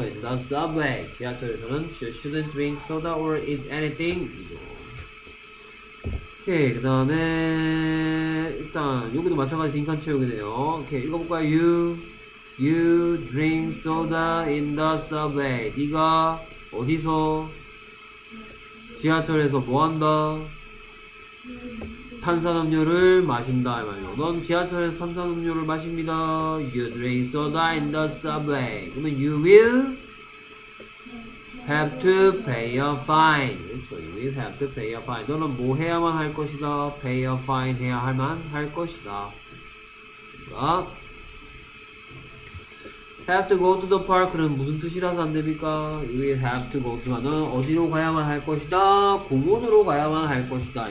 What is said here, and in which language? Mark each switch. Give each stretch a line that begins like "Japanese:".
English: In the subway,
Korean: 지하철에서는
English: you shouldn't drink soda or eat anything.
Korean: 오케이. 그 다음에 일단 여기도 마찬가지 빈칸 채우기네요. 오케이. 읽어볼까요?
English: You drink soda in the subway.
Korean: 네가 어디서? 지하철에서 뭐한다? 탄산음료를 마신다. 넌 지하철에서 탄산음료를 마십니다.
English: You drink soda in the subway.
Korean: 그러면
English: you will have to pay a fine.
Korean: 그렇죠.
English: You will have to pay a fine.
Korean: 너는 뭐 해야만 할 것이다?
English: Pay a fine
Korean: 해야 할만 할 것이다. 그렇습니까?
English: Have to go to the park는
Korean: 무슨 뜻이라서 안 됩니까?
English: You will have to go to.
Korean: 너는 어디로 가야만 할 것이다? 공원으로 가야만 할 것이다.